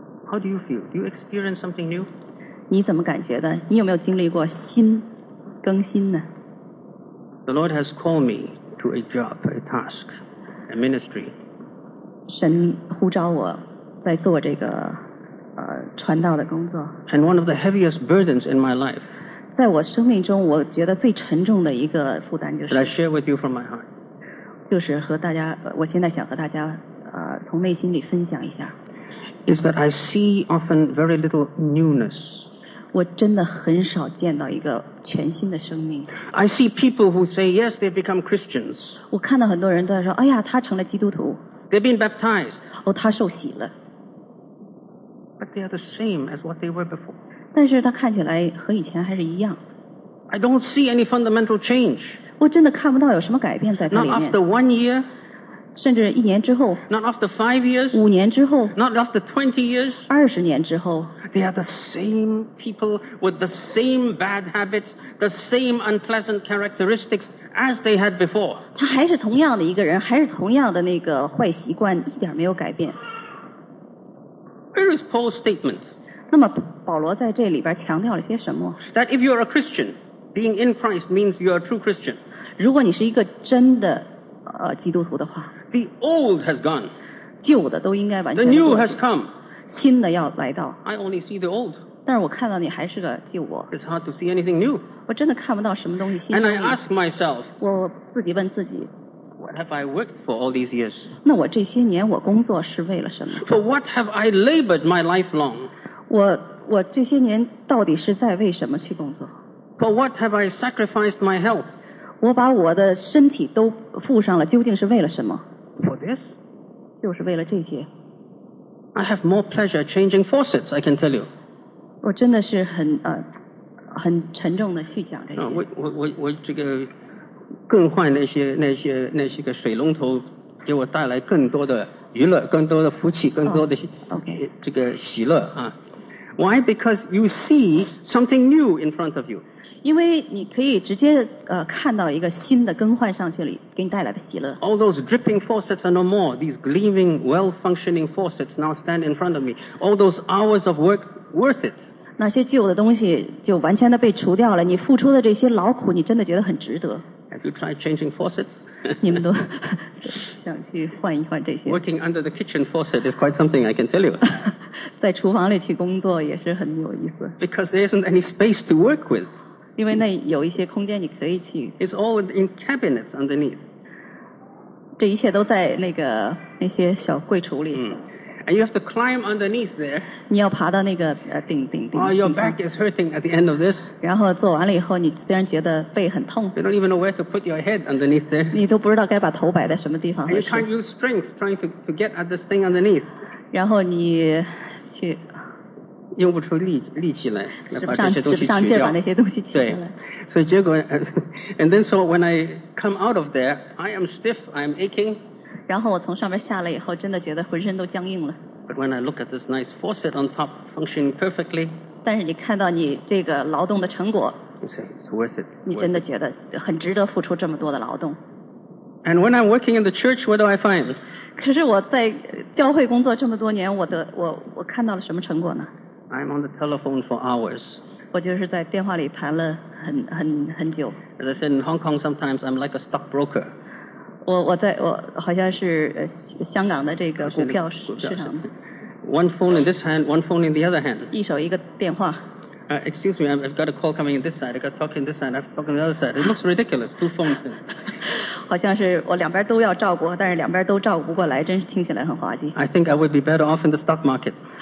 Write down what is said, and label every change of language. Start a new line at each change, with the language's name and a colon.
English: How do you feel? Do you experience something new?
Chinese: 你怎么感觉的？你有没有经历过新？更新呢？
English: The Lord has called me to a job, a task, a ministry.
Chinese: 神呼召我在做这个传道的工作。
English: And one of the heaviest burdens in my life.
Chinese: 在我生命中，我觉得最沉重的一个负担就是。
English: That I share with you from my heart.
Chinese: 就是和大家，我现在想和大家从内心里分享一下。
English: Is that I see often very little newness.
Chinese: 我真的很少见到一个全新的生命。
English: I see people who say yes, they've become Christians.
Chinese: 我看到很多人都在说，哎呀，他成了基督徒。
English: They've been baptized.
Chinese: 哦，他受洗了。
English: But they are the same as what they were before.
Chinese: 但是他看起来和以前还是一样。
English: I don't see any fundamental change.
Chinese: 我真的看不到有什么改变在他里面。
English: Not after 1 year.
Chinese: 甚至一年之后
English: ，Not after 5 years，
Chinese: 五年之后
English: ，Not after 20 years，
Chinese: 二十年之后
English: ，They are the same people with the same bad habits, the same unpleasant characteristics as they had before。
Chinese: 他还是同样的一个人，还是同样的那个坏习惯，一点没有改变。
English: Where is Paul's statement？
Chinese: 那么保罗在这里边强调了些什么
English: ？That if you are a Christian, being in Christ means you are a true Christian。
Chinese: 如果你是一个真的。基督徒的话
English: The old has gone.
Chinese: 旧的都应该完全
English: The new has come.
Chinese: 新的要来到
English: I only see the old.
Chinese: 但是我看到你还是个旧我
English: It's hard to see anything new.
Chinese: 我真的看不到什么东西新的
English: And I ask myself.
Chinese: 我自己问自己
English: What have I worked for all these years?
Chinese: 那我这些年我工作是为了什么
English: For what have I labored my life long?
Chinese: 我这些年到底是在为什么去工作
English: For what have I sacrificed my health?
Chinese: 我把我的身体都付上了，究竟是为了什么
English: ？For this，
Chinese: 就是为了这些。
English: I have more pleasure changing faucets. I can tell you.
Chinese: 我真的是很沉重的去讲这些。我这个更换那些个水龙头，给我带来更多的娱乐，更多的福气，更多的、这个喜乐啊。
English: Why? Because you see something new in front of you.
Chinese: 因为你可以直接看到一个新的更换上去了，给你带来的喜乐。
English: All those dripping faucets are no more. These gleaming, well-functioning faucets now stand in front of me. All those hours of work worth it.
Chinese: 那些旧的东西就完全的被除掉了，你付出的这些劳苦你真的觉得很值得。
English: Have you tried changing faucets?
Chinese: 你们都想去换一换这些。
English: Working under the kitchen faucet is quite something, I can tell you.
Chinese: 在厨房里去工作也是很有意思。
English: Because there isn't any space to work with.
Chinese: 因为那有一些空间你可以去。
English: It's all in cabinets underneath.
Chinese: 这一切都在那个那些小柜橱里。
English: And you have to climb underneath there.
Chinese: 你要爬到那个顶。
English: Oh, your back is hurting at the end of this.
Chinese: 然后做完了以后，你虽然觉得背很痛。
English: You don't even know where to put your head underneath there.
Chinese: 你都不知道该把头摆在什么地方。
English: And you can't use strength trying to get at this thing underneath.
Chinese: 然后你去用不出力气来把这些东西取掉。使不上劲把那些东西取下来。对，所以结果
English: ，and then when I come out of there, I am stiff, I am aching.
Chinese: 然后我从上面下来以后，真的觉得浑身都僵硬了。
English: But when I look at this nice faucet on top functioning perfectly,
Chinese: 但是你看到你这个劳动的成果，
English: it's worth it.
Chinese: 你真的觉得很值得付出这么多的劳动。
English: And when I'm working in the church, what do I find?
Chinese: 可是我在教会工作这么多年，我看到了什么成果呢？
English: I'm on the telephone for hours.
Chinese: 我就是在电话里谈了很久。
English: As I said, in Hong Kong, sometimes I'm like a stock broker.
Chinese: 我好像是香港的这个股票市场。
English: One phone in this hand, one phone in the other hand.
Chinese: 一手一个电话。
English: Excuse me, I've got a call coming in this side. I've got to talk in this side. I have to talk in the other side. It looks ridiculous. Two phones.
Chinese: 好像是我两边都要照顾，但是两边都照顾不过来，真是听起来很滑稽。
English: I think I would be better off in the stock market.